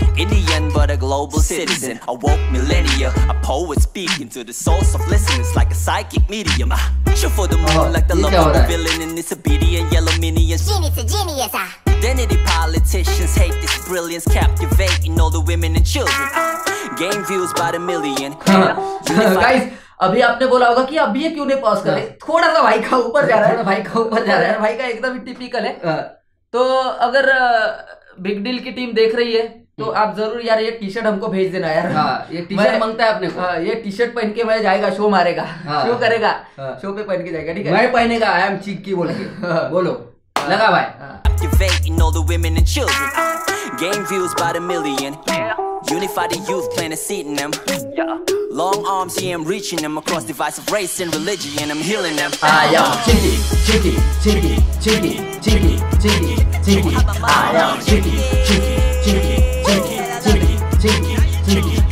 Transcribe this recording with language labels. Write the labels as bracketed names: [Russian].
[English] Indian but a global citizen. A woke millennia. A poet speaking to the source of listeners like a psychic medium. Shoot for the moon like the love of the villain in this obedient yellow minion. Genius, a genius. Identity politicians hate this brilliance, captivating all the women and children. Game views by the million. [Hindi] Guys, अभी आपने बोला होगा कि अभी ये क्यों नहीं pause करे, थोड़ा सा भाई का ऊपर जा रहा है, भाई का ऊपर जा रहा है, भाई का एकदम टिपिकल है। तो अगर बिग डील की टीम देख रही है तो आप जरूर यार ये टी शर्ट हमको भेज देना यार। ये टी शर्ट मांगता है अपने को। ये टी शर्ट पहन के मैं जाएगा, शो मारेगा, शो करेगा, शो पे पहन के जाएगा, ठीक है। मैं पहनेगा, [English] I am Chikki [Hindi] बोल के, बोलो लगा भाई। [English] Activating all the women and children. Game views by the million. Unify the youth, plant a seed in them. Long arms, yeah, I'm reaching them across divides of race and religion. I'm healing them. I am chicky, chicky, chicky, chicky, chicky, chicky, chicky. I am chicky, chicky, chicky, chicky, chicky, chicky, chicky.